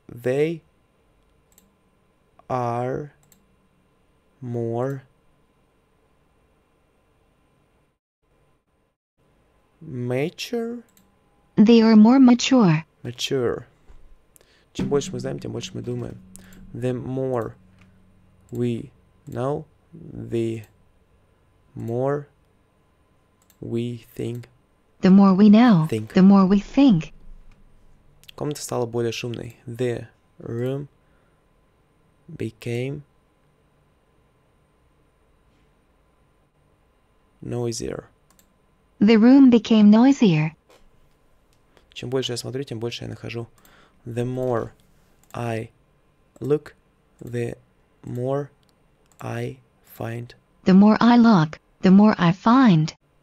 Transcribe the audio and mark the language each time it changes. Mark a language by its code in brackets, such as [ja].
[en] They are more mature. They are more mature. Mature. [ru] Чем больше мы знаем, тем больше мы думаем. [en] The more we know, the more we think. The more we know, think. The more we think. [ru] Комната стала более шумной. [en] The room became noisier. The room became noisier. [ru] Чем больше я смотрю, тем больше я нахожу. [en] The more I look, the more I find. The more I look, the more I find.